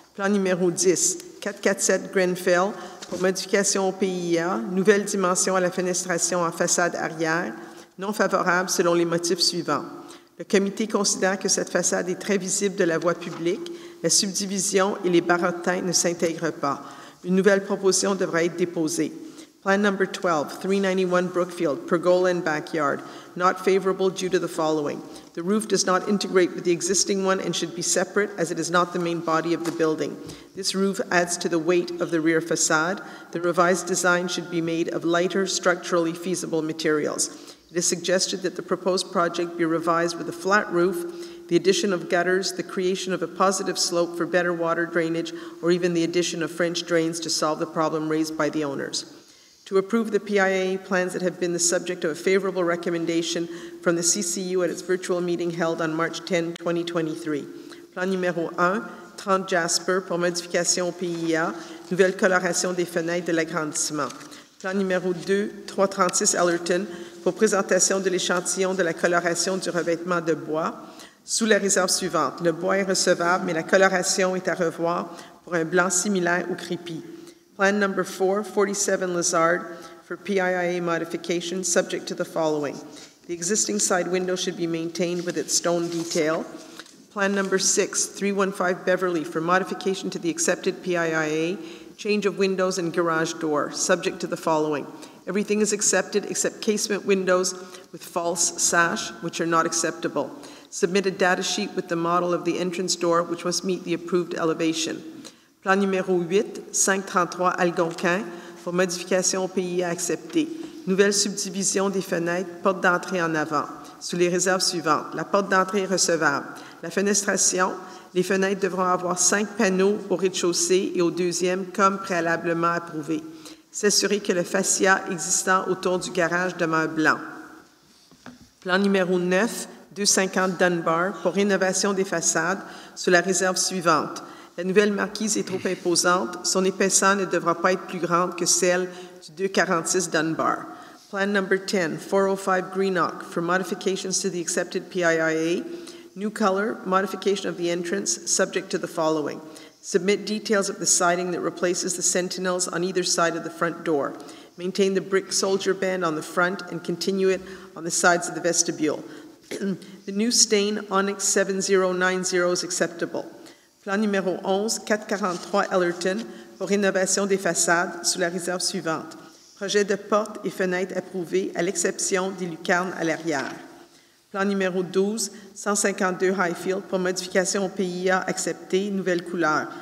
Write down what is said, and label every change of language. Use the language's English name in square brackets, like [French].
[French] Plan numéro 10, 447 Grenfell, pour modification au PIA, nouvelle dimension à la fenestration en façade arrière, non favorable selon les motifs suivants. Le comité considère que cette façade est très visible de la voie publique. La subdivision et les barreaux de teint ne s'intègrent pas. Une nouvelle proposition devra être déposée. [English] Plan number 12, 391 Brookfield, pergola and backyard, not favorable due to the following. The roof does not integrate with the existing one and should be separate as it is not the main body of the building. This roof adds to the weight of the rear façade. The revised design should be made of lighter, structurally feasible materials. It is suggested that the proposed project be revised with a flat roof, the addition of gutters, the creation of a positive slope for better water drainage, or even the addition of French drains to solve the problem raised by the owners. To approve the PIA plans that have been the subject of a favorable recommendation from the CCU at its virtual meeting held on March 10, 2023. [French] Plan numéro 1, 30 Jasper, pour modification au PIA, nouvelle coloration des fenêtres de l'agrandissement. Plan numéro 2, 336 Ellerton, pour présentation de l'échantillon de la coloration du revêtement de bois, sous la réserve suivante. Le bois est recevable, mais la coloration est à revoir pour un blanc similaire ou crépi. [English] Plan number 4, 47 Lazard, for PIA modification, subject to the following. The existing side window should be maintained with its stone detail. Plan number 6, 315 Beverly, for modification to the accepted PIA, change of windows and garage door, subject to the following. Everything is accepted except casement windows with false sash, which are not acceptable. Submit a data sheet with the model of the entrance door, which must meet the approved elevation. [French] Plan numéro 8, 533 Algonquin, pour modification au PIA accepté. Nouvelle subdivision des fenêtres, porte d'entrée en avant. Sous les réserves suivantes, la porte d'entrée est recevable. La fenestration, les fenêtres devront avoir 5 panneaux au rez-de-chaussée et au deuxième comme préalablement approuvé. S'assurer que le fascia existant autour du garage demeure blanc. Plan numéro 9, 250 Dunbar, pour rénovation des façades, sous la réserve suivante. La nouvelle marquise est trop imposante. Son épaisseur ne devra pas être plus grande que celle du 246 Dunbar. [English] Plan number 10, 405 Greenock, for modifications to the accepted PIA. New color, modification of the entrance, subject to the following. Submit details of the siding that replaces the sentinels on either side of the front door. Maintain the brick soldier band on the front and continue it on the sides of the vestibule. The new stain, Onyx 7090, is acceptable. [French] Plan numéro 11, 443 Ellerton, pour rénovation des façades, sous la réserve suivante. Projet de porte et fenêtres approuvés, à l'exception des lucarnes à l'arrière. Plan numéro 12, 152 Highfield, pour modification au PIA accepté, nouvelle couleur.